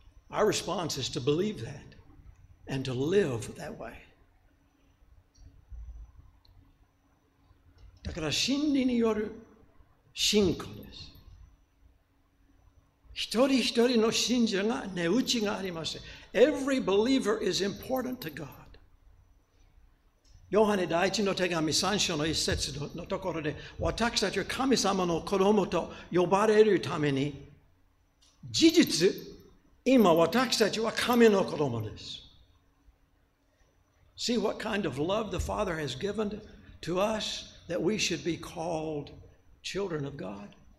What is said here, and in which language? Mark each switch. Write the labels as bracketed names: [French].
[English] Our response is to believe that and to live that way. [Japanese] だから真理による信仰です。一人一人の信者が値打ちがあります。 [English] Every believer is important to God. [Japanese] ヨハネ第一の手紙三章の一節 のところで、私たちは神様の子供と呼ばれるために、事実、今私たちは神の子供です。 [English] See what kind of love the Father has given to us that we should be called children of God?